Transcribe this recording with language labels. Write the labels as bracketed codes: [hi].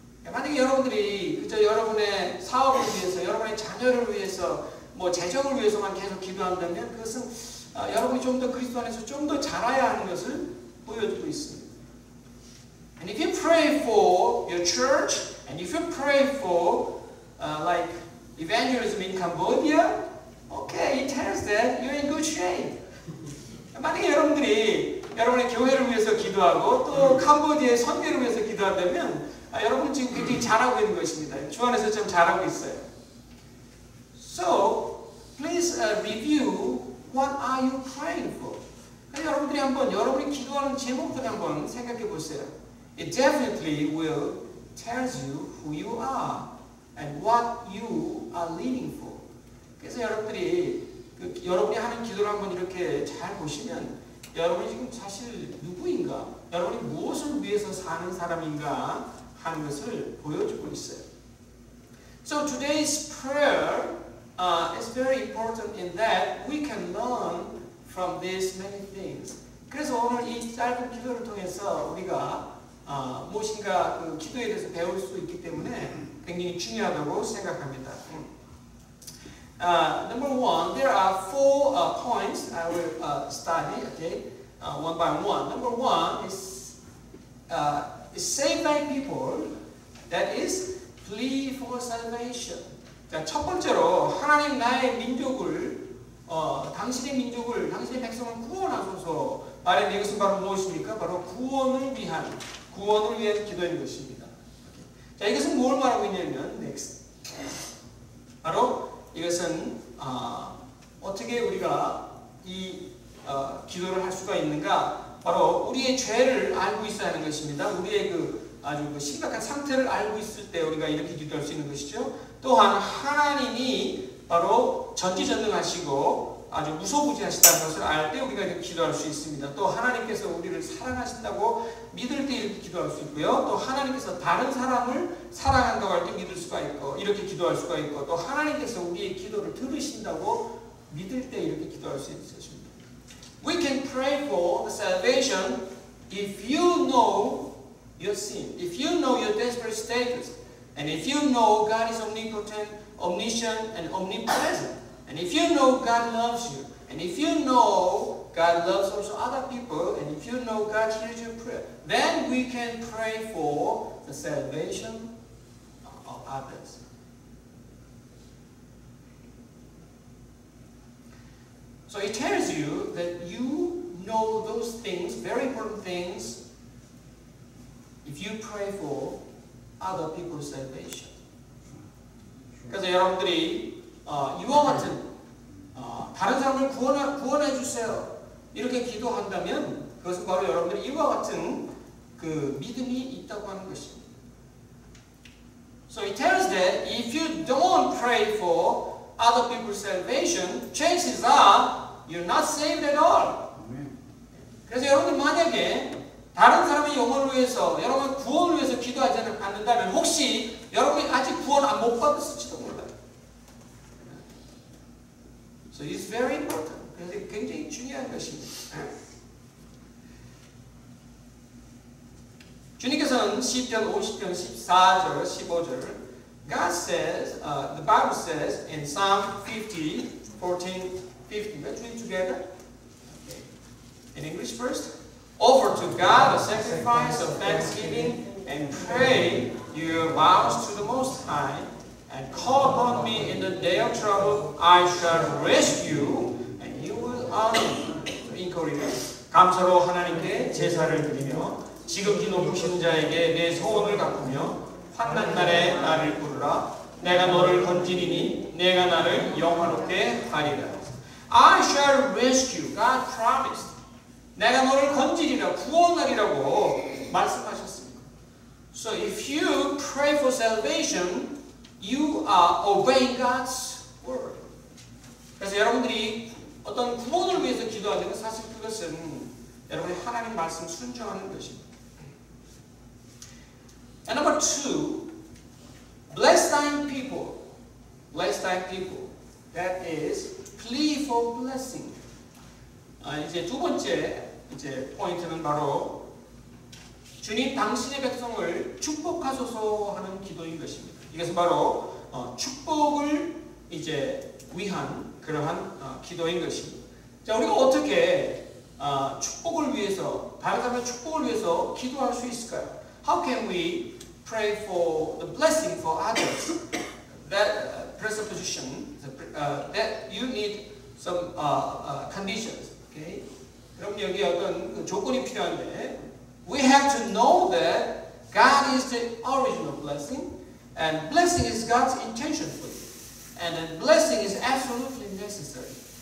[ko] 만약에 여러분들이 그저 여러분의 사업을 위해서, 여러분의 자녀를 위해서, 뭐 재정을 위해서만 계속 기도한다면 그것은 여러분이 좀 더 그리스도 안에서 좀 더 자라야 하는 것을 보여주고 있습니다. [en] And if you pray for your church, and if you pray for like evangelism in Cambodia, okay, it tells that you're in good shape. [ko] 만약에 여러분들이 여러분의 교회를 위해서 기도하고 또 캄보디아의 선교를 위해서 기도한다면 여러분 지금 굉장히 잘하고 있는 것입니다. 주 안에서 참 잘하고 있어요. [en] So, please review what are you praying for? [ko] 여러분들이 한번 여러분이 기도하는 제목들 한번 생각해 보세요. [en] It definitely will tell you who you are and what you are leaning for. [ko] 그래서 여러분들이 여러분이 하는 기도를 한번 이렇게 잘 보시면 여러분이 지금 사실 누구인가? 여러분이 무엇을 위해서 사는 사람인가? 하는 것을 보여주고 있어요. [en] So today's prayer is very important in that we can learn from these many things. [ko] 그래서 오늘 이 짧은 기도를 통해서 우리가 무엇인가 그 기도에 대해서 배울 수 있기 때문에 굉장히 중요하다고 생각합니다. [en] Number one, there are four points I will study, okay? One by one. Number one is save thy people, that is, plea for salvation. [ko] 자, 첫 번째로, 하나님 나의 민족을, 당신의 민족을, 당신의 백성을 구원하소서. 말하는 이것은 바로 무엇입니까? 바로 구원을 위한, 구원을 위한 기도인 것입니다. 자, 이것은 뭘 말하고 있냐면, next. 바로 이것은, 어떻게 우리가 이 기도를 할 수가 있는가? 바로 우리의 죄를 알고 있어야 하는 것입니다. 우리의 그 아주 그 심각한 상태를 알고 있을 때 우리가 이렇게 기도할 수 있는 것이죠. 또한 하나님이 바로 전지전능하시고 아주 무소부지하시다는 것을 알 때 우리가 이렇게 기도할 수 있습니다. 또 하나님께서 우리를 사랑하신다고 믿을 때 이렇게 기도할 수 있고요. 또 하나님께서 다른 사람을 사랑한다고 할 때 믿을 수가 있고 이렇게 기도할 수가 있고 또 하나님께서 우리의 기도를 들으신다고 믿을 때 이렇게 기도할 수 있습니다. [en] We can pray for the salvation if you know your sin, if you know your desperate status, and if you know God is omnipotent, omniscient, and omnipresent, and if you know God loves you, and if you know God loves also other people, and if you know God hears your prayer, then we can pray for the salvation of others. So it tells you that you know those things, very important things, if you pray for other people's salvation. [ko] 그래서 여러분들이 이와 같은 다른 사람을 구원해 주세요 이렇게 기도한다면 그것은 바로 여러분들이 이와 같은 그 믿음이 있다고 하는 것입니다. [en] So it tells that if you don't pray for other people's salvation, chances are you're not saved at all. [ko] 그래서 여러분들 만약에 다른 사람의 영혼을 위해서 여러분 구원을 위해서 기도하지 않는다면 혹시 여러분이 아직 구원 안 못 받았을지도 몰라요. [en] So it's very important. [ko] 그래서 굉장히 중요한 것입니다. 주님께서는 시편 50편 14절 15절 [en] God says, the Bible says in Psalm 50, 14, 15. Let's read together. Okay. In English first. Offer to God a sacrifice of thanksgiving and pray your vows to the Most High and call upon me in the day of trouble. I shall rescue and you will honor me. In Korean. [ko] 감사로 하나님께 제사를 드리며 지금 기도 부신 자에게 내 소원을 갚으며 환난 날에 나를 부르라. 내가 너를 건지리니 내가 나를 영화롭게 하리라. [en] I shall rescue. God promised. [ko] 내가 너를 건지리라 구원하리라고 말씀하셨습니다. [en] So if you pray for salvation, you are obeying God's word. [ko] 그래서 여러분들이 어떤 구원을 위해서 기도하는 건 사실 그것은 여러분이 하나님 말씀 순종하는 것입니다. [en] And number two, bless thine people. Bless thine people. That is, plea for blessing. [ko] 이제 두 번째 이제 포인트는 바로 주님 당신의 백성을 축복하소서 하는 기도인 것입니다. 이것은 바로 축복을 이제 위한 그러한 기도인 것입니다. 자, 우리가 어떻게 축복을 위해서 다른 사람의 축복을 위해서 기도할 수 있을까요? [en] How can we pray for the blessing for others? That presupposition that you need some conditions. Okay. [ko] 그럼 여기 어떤 조건이 필요한데, [en] we have to know that God is the original blessing, and blessing is God's intention for you, and then blessing is absolutely necessary.